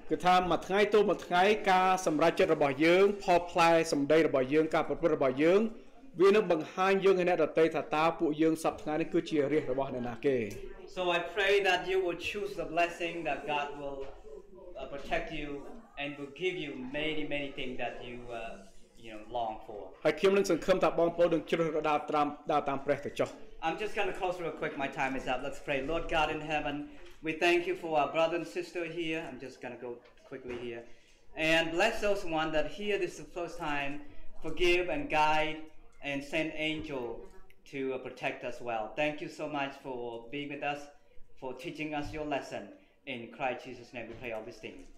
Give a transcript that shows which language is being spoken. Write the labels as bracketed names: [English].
[Khmer] គឺថាមួយថ្ងៃទៅមួយថ្ងៃការសម្រេចចិត្តរបស់យើងផលផ្លែសម្ដីរបស់យើងការប្រព្រឹត្តរបស់យើងវានឹងបង្ហាញយើងឯអ្នកដតីថាតើពួកយើងសប្ដាហ៍នេះគឺជារាជរបស់អ្នកណាគេ [English] So I pray that you will choose the blessing that God will protect you and will give you many many things that youyou know long for [Khmer] ហើយខ្ញុំនឹងសង្ឃឹមថាបងប្អូននឹងជ្រើសរើសតាមព្រះទៅចុះ [English] I'm just going to close real quick my time is up let's pray Lord God in heaven we thank you for our brother and sister here I'm just going to go quickly here and bless those one that here this is the first time forgive and guide and send angel to protect us well thank you so much for being with us for teaching us your lesson in Christ Jesus name we pray all these things